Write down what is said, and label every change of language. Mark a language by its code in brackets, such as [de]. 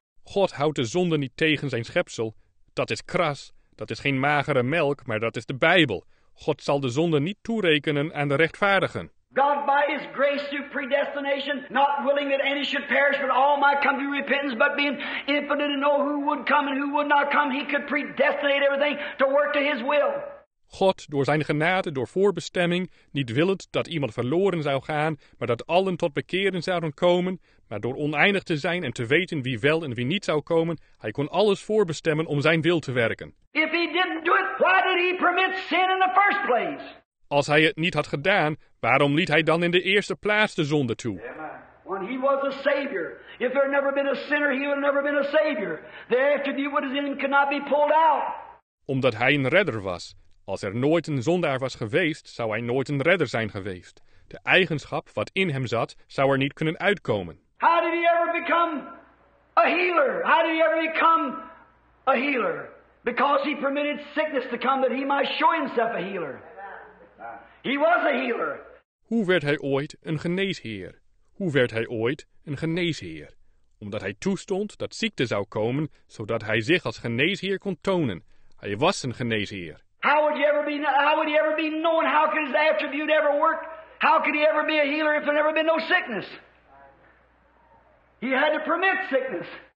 [nl] God houdt de zonde niet tegen zijn schepsel. Dat is kras. Dat is geen magere melk, maar dat is de Bijbel. God zal de zonde niet toerekenen aan de rechtvaardigen. [en] God by his grace through predestination, not willing that any should perish, but all might come to repentance, but being infinite to know who would come and who would not come, he could predestinate everything to work to his will. [nl] God, door zijn genade, door voorbestemming, niet willend dat iemand verloren zou gaan, maar dat allen tot bekering zouden komen, maar door oneindig te zijn en te weten wie wel en wie niet zou komen, hij kon alles voorbestemmen om zijn wil te werken. [en] If he didn't do it, why did he permit sin in the first place? [nl] Als hij het niet had gedaan, waarom liet hij dan in de eerste plaats de zonde toe? [en] When he was a savior, if there had never been a sinner, he would have never been a savior. The attribute would have been could not be pulled out. [nl] Omdat hij een redder was. Als er nooit een zondaar was geweest, zou hij nooit een redder zijn geweest. De eigenschap wat in hem zat, zou er niet kunnen uitkomen. [en] How did he ever become a healer? How did he ever become a healer? Because he permitted sickness to come that he might show himself a healer. He was a healer. [nl] Hoe werd hij ooit een geneesheer? Hoe werd hij ooit een geneesheer? Omdat hij toestond dat ziekte zou komen, zodat hij zich als geneesheer kon tonen. Hij was een geneesheer. [en] How would he ever be known? How could his attribute ever work? How could he ever be a healer if there never been no sickness? He had to permit sickness.